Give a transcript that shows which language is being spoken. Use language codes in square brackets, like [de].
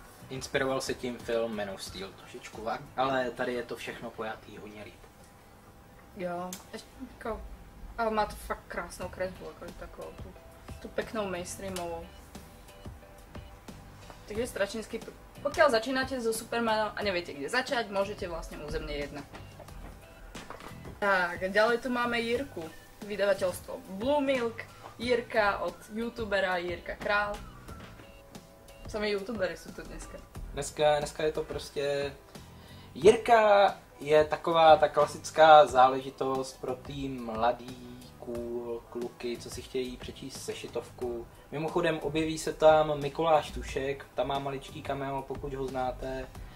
[cs] Inspiroval se tím film Man of Steel trošičku, ale tady je to všechno pojatý hodně líp. Jo, ale má to fakt krásnou kresbu, jako takovou tu peknou mainstreamovou. Takže Stračinský, pokud začínáte so Supermanem a nevíte kde začát, můžete vlastně u Země 1. [sk] Tak, ďalej tu máme Jirku, vydavateľstvo Blue Milk, Jirka od youtubera Jirka Král. Sami youtubery sú tu dneska. [cs] Dneska je to prostě... Jirka je taková ta klasická záležitost pro tý mladý, cool kluky, co si chtějí přečíst sešitovku. Mimochodem objeví se tam Mikuláš Tušek, tam má maličký cameo, pokud ho znáte.